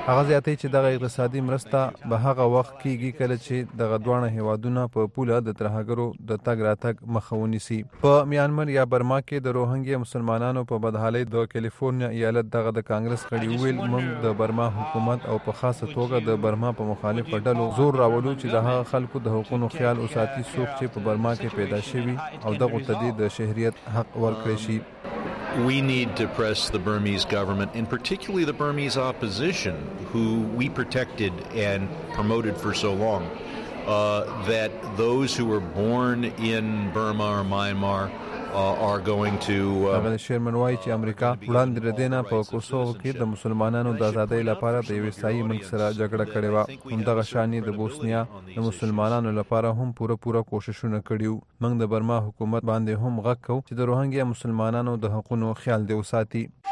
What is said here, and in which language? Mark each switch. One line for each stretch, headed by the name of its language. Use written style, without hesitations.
Pashto: غزه ته چې د اقتصادي مرستې به هغه وخت کېږي کله چې د غدوانه هوادونه په پوله د ترهګرو د تګ راتګ مخاوني سي په میانمار یا برما کې د روهنګي مسلمانانو په بدحالي د کالیفورنیا ایالت د کانګرس غړي ویل موږ د برما حکومت او په خاصه توګه د برما په مخالفت ډلو زور راولو چې د خلکو د حقوقو خیال اوساتي سوق چې په برما کې پیدا شوی او د تدید د شهريت حق ورکړي شي
English: We need to press the Burmese government and particularly the Burmese opposition who we protected and promoted for so long that those who were born in Burma or Myanmar are going to
Pashto: امن شرمن وای چې امریکا وړاندې ردینا په کوسوو کې د مسلمانانو د آزادۍ لپاره د ویسای ملک سره جګړه کړې و همدغه شانی د بوسنیا د مسلمانانو لپاره هم پوره پوره کوششونه کړیو موږ د برما حکومت باندې هم غږ کوو چې د روهنګي مسلمانانو د حقوقو خیال دی وساتي